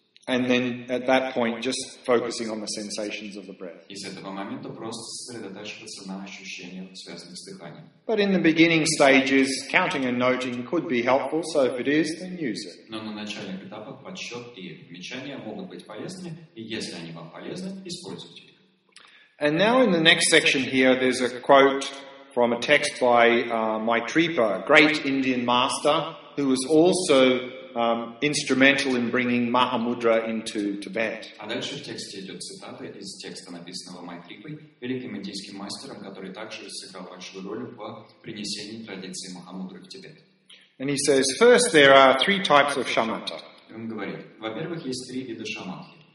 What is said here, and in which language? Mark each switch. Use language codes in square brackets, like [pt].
[en] And then at that point, just focusing on the sensations of the breath. [ru] И с этого момента просто сосредотачиваться на ощущениях, связанных с дыханием. [en] But in the beginning stages, counting and noting could be helpful, so if it is, then use it. [ru] Но на начальных этапах подсчет и подмечания могут быть полезны, и если они вам полезны, используйте их. [en] And now in the next section here, there's a quote from a text by Maitripa, a great Indian master, who was also instrumental in bringing Mahamudra into Tibet. [ru] А дальше в тексте идет цитата из текста, написанного Майтрипой, великим индийским мастером, который также сыграл большую роль в принесении традиции Махамудры в Тибет. [en] And he says, first, there are three types of shamatha. [ru] Он говорит, во-первых, есть три вида шаматхи.